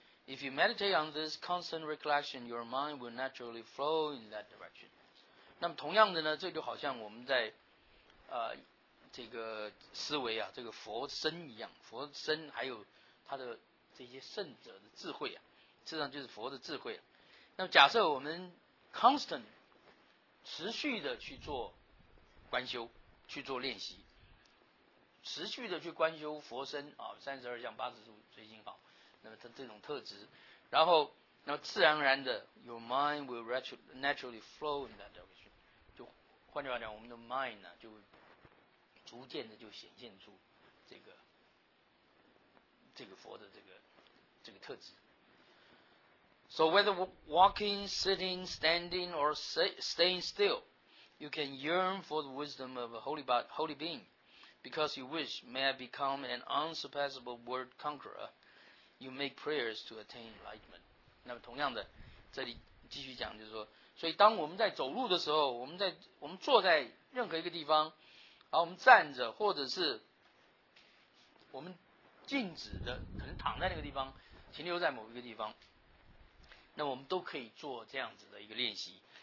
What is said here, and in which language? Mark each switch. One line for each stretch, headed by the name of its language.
English: If you meditate on this constant recollection, your mind will naturally flow in that direction.
Chinese: 那么同样的呢，这就好像我们在这个思维啊，这个佛身一样，佛身还有他的这些圣者的智慧啊，事实上就是佛的智慧啊。那么假设我们 constant 持续的去做观修，去做练习，持续的去观修佛身啊，32相、80度随心好。那么这种特质，然后那么自然而然的
English: your mind will naturally flow in that direction，
Chinese: 就换句话讲，我们的 mind 呢就逐渐的就显现出这个佛的这个特质。
English: So whether walking, sitting, standing or staying still, you can yearn for the wisdom of a holy being because you wish may I become an unsurpassable world conquerorYou make prayers to attain enlightenment.
Chinese: 那么同样的，这里继续讲，就是说，所以当我们在走路的时候，我们坐在任何一个地方，啊，我们站着，或者是我们静止的，可能躺在那个地方，停留在某一个地方，那我们都可以做这样子的一个练习。